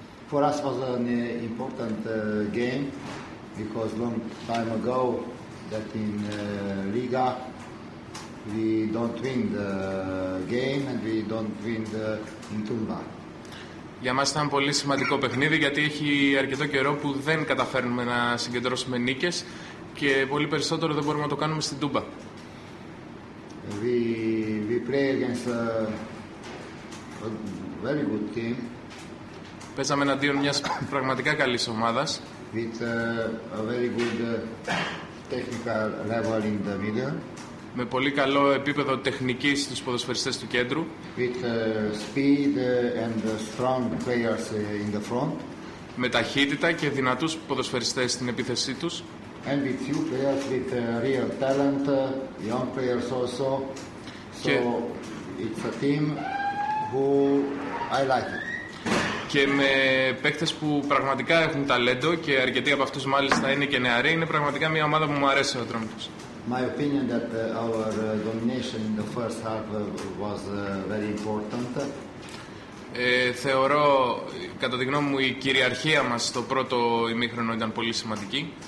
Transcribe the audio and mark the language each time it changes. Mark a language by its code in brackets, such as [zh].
[en] For us was an important game because long time ago that in Liga we don't win the game and we don't win the in Tumba. [el] Για μας ήταν πολύ σημαντικό παιχνίδι γιατί έχει αρκετό καιρό που δεν καταφέρνουμε να συγκεντρώσουμε νίκες και πολύ περισσότερο δεν μπορούμε να το κάνουμε στην Τούμπα. [en] We play against a very good team. [el] Παίζαμε εναντίον μιας πραγματικά καλής ομάδας. [en] With a very good technical level in the middle. [el] Με πολύ καλό επίπεδο τεχνικής στους ποδοσφαιριστές του κέντρου. [en] With speed and strong players in the front. [el] Με ταχύτητα και δυνατούς ποδοσφαιριστές στην επίθεσή τους. [en] And with few players with real talent, young players also. [el] Και... [en] So it's a team who I like it. [el] Και με παίκτες που πραγματικά έχουν ταλέντο και αρκετοί από αυτούς μάλιστα είναι και νεαροί, είναι πραγματικά μια ομάδα που μου αρέσει ο Ατρόμητος. [en] My opinion that our domination in the first half was very important. [el] Θεωρώ, κατά τη γνώμη μου, η κυριαρχία μας στο πρώτο ημίχρονο ήταν πολύ σημαντική.